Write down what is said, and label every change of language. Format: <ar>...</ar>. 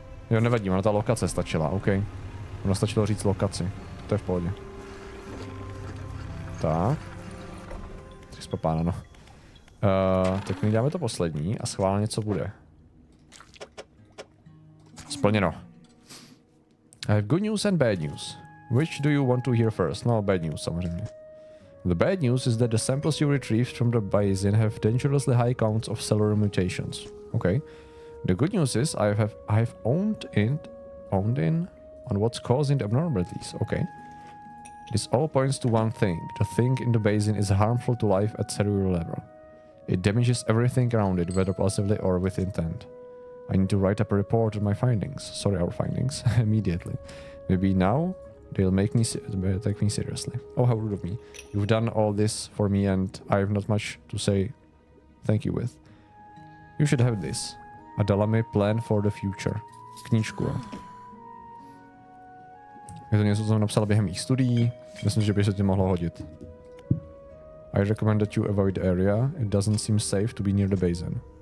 <cs>Jo, nevadí, ona ta lokace stačila, OK. Ona stačilo říct lokaci, to je v pohodě. Tak. Tři spopána, no. Tak my dáme to poslední a schválně co bude. Splněno.</cs> <en>I have good news and bad news. Which do you want to hear first? No, bad news, samozřejmě. The bad news is that the samples you retrieved from the basin have dangerously high counts of cellular mutations. OK. The good news is I have owned in on what's causing the abnormalities. OK. This all points to one thing. The thing in the basin is harmful to life at cellular level. It damages everything around it, whether positively or with intent. I need to write up a report on my findings. Sorry, our findings. Immediately. Maybe now they'll take me seriously. Oh, how rude of me. You've done all this for me and I have not much to say thank you with. You should have this. A dala mi plan for the future. Knížku.</en> <cs>Je to něco, co jsem napsal během mých studií. Myslím, že by se tě mohlo hodit.</cs> <en>I recommend that you avoid the area. It doesn't seem safe to be near the basin.</en>